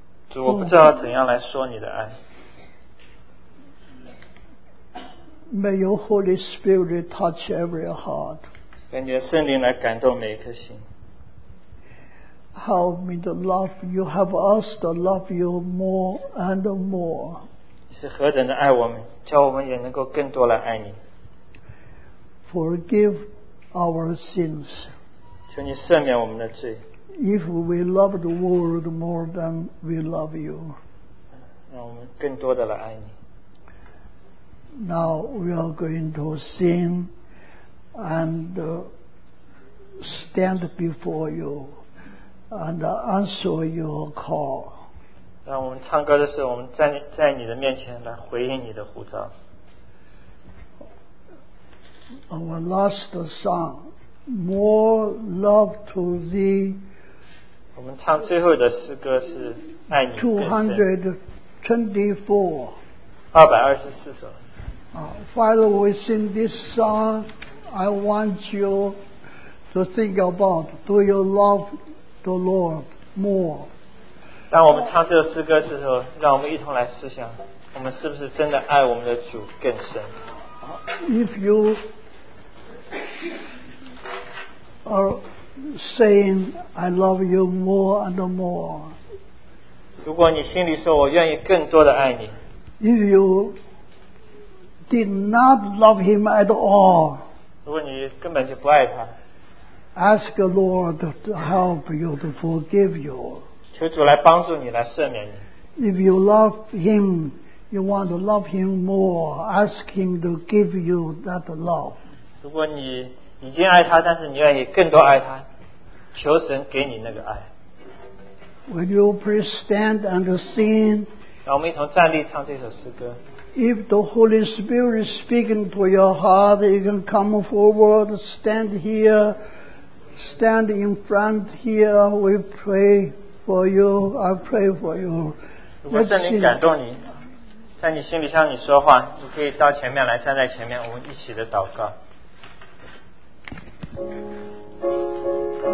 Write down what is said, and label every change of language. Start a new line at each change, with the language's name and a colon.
Chinese: 主，我不知道怎样来说你的爱。
English: May your Holy Spirit touch every heart.
Chinese: 愿你的圣灵来感动每一颗心。
English: Help me to love you. Have us to love you more and more.
Chinese: 你是何等的爱我们，叫我们也能够更多来爱你。
English: Forgive our sins.
Chinese: 求你赦免我们的罪。
English: If we love the world more than we love you,
Chinese: 让我们更多的来爱你。
English: Now we are going to sing and stand before you and answer your call.
Chinese: 让我们唱歌的时候，我们在你的面前来回应你的呼召。
English: Our last song. More love to thee.
Chinese: 我们唱最后的诗歌是爱你更深。224首。
English: While we sing this song, I want you to think about, do you love the Lord more?
Chinese: 当我们唱这首诗歌的时候，让我们一同来思想，我们是不是真的爱我们的主更深。
English: if you are saying I love you more and more,
Chinese: 如果你心里说我愿意更多的爱你，
English: if you did not love him at all,
Chinese: 如果你根本就不爱他，
English: ask the Lord to help you, to forgive you,
Chinese: 求主来帮助你，来赦免你。
English: If you love him, you want to love him more, ask him to give you that love.
Chinese: 如果你已经爱他，但是你愿意更多爱他，求神给你那个爱。
English: Will you please stand and sing?
Chinese: 让我们一同站立唱这首诗歌。
English: If the Holy Spirit is speaking to your heart, you can come forward, stand here, stand in front here, we pray for you, I pray for you.
Chinese: 如果圣灵感动你，在你心里向你说话，你可以到前面来，站在前面，我们一起的祷告。